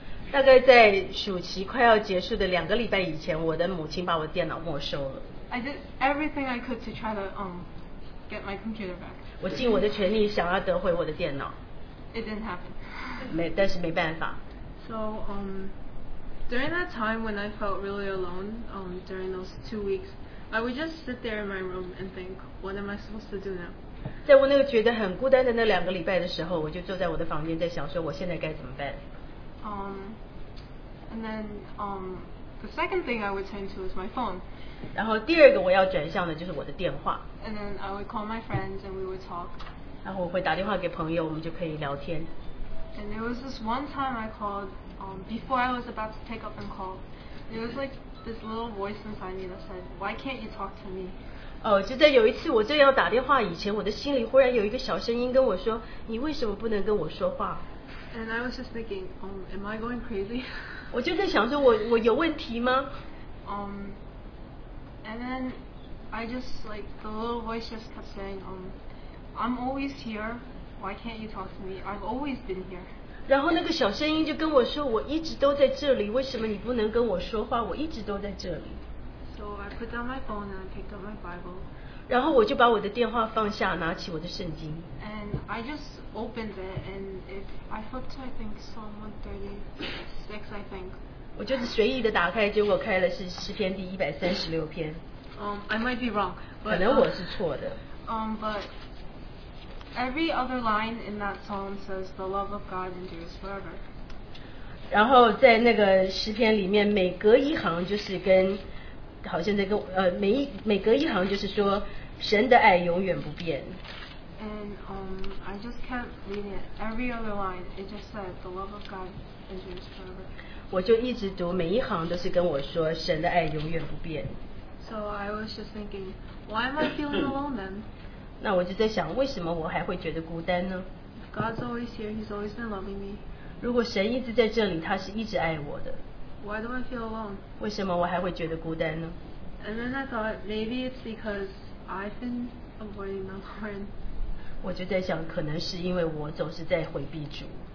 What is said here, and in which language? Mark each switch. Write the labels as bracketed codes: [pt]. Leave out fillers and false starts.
[zh] 大概在暑期快要结束的2个礼拜以前，我的母亲把我电脑没收了。 [en] I did everything I could to try to get my computer back. [zh] 我尽我的全力想要得回我的电脑。 [en] It didn't happen. [zh] 没，但是没办法。 [en] So during that time when I felt really alone, during those 2 weeks, I would just sit there in my room and think, what am I supposed to do now? [zh] 在我那个觉得很孤单的那两个礼拜的时候，我就坐在我的房间在想说，我现在该怎么办？ [en] And then the second thing I would turn to is my phone. [zh] 然后第二个我要转向的就是我的电话。 [en] And then I would call my friends and we would talk. [zh] 然后我会打电话给朋友，我们就可以聊天。 [en] And there was this one time I called before I was about to pick up and call. There was like this little voice inside me that said, "Why can't you talk to me?" [zh] 哦，就在有一次我正要打电话以前，我的心里忽然有一个小声音跟我说，你为什么不能跟我说话？ [en] And I was just thinking, am I going crazy? [zh] 我就在想说我有问题吗？ [en] And then I just like the little voice just kept saying, I'm always here. Why can't you talk to me? I've always been here. [zh] 然后那个小声音就跟我说，我一直都在这里，为什么你不能跟我说话？我一直都在这里。 [en] So I put down my phone and I picked up my Bible. [zh] 然后我就把我的电话放下，拿起我的圣经。 [en] And I just opened it and I flipped to, I think, Psalm 136, I think. [zh] 我就是随意的打开，结果开了是诗篇第136篇。 [en] I might be wrong. [zh] 可能我是错的。 [en] But every other line in that psalm says the love of God endures forever. [zh] 然后在那个诗篇里面，每隔一行就是跟好像在跟每隔一行就是说神的爱永远不变。 [en] And I just kept reading it. Every other line, it just said the love of God endures forever. [zh] 我就一直读每一行都是跟我说神的爱永远不变。 [en] So I was just thinking, why am I feeling alone then? [zh] 那我就在想为什么我还会觉得孤单呢？ [en] God's always here. He's always been loving me. [zh] 如果神一直在这里，他是一直爱我的。 [en] Why do I feel alone? [zh] 为什么我还会觉得孤单呢？ [en] And then I thought, maybe it's because I've been avoiding the Lord. [zh] 我就在想，可能是因为我总是在回避主。